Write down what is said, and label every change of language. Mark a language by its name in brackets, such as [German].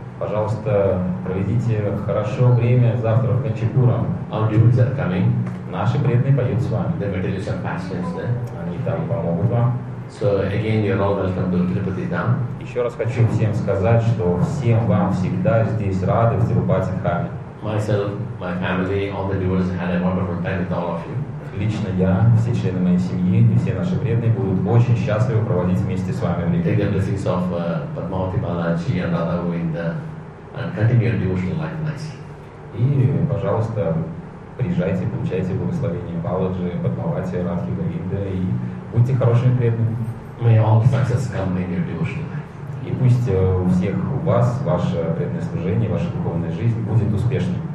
[Russian] Пожалуйста, проведите хорошо время завтра в Канчипурам. [English] Our devotees are coming. [Russian] Наши преданные поют с вами. [English] They will tell you some pastimes there. [Russian] Они там помогут вам. [English] So again, you're all welcome to Tirupati Dham. [Russian] Еще раз хочу всем сказать, что всем вам всегда здесь рады в Тирупати Дхаме. [English] Myself, my family, all the devotees had a wonderful time with all of you. [Russian] Лично я, все члены моей семьи и все наши преданные будут очень счастливы проводить вместе с вами время. [English] Take the blessings of Padmavati Balaji and Radha Govinda and continue your devotional life nicely. [Russian] И, пожалуйста, приезжайте, получайте благословение Баладжи, Падмавати, Радхи, Говинда, и будьте хорошими преданными. [English] May all success come in your devotion. [Russian] И пусть у всех у вас ваше преданное служение, ваша духовная жизнь будет успешной.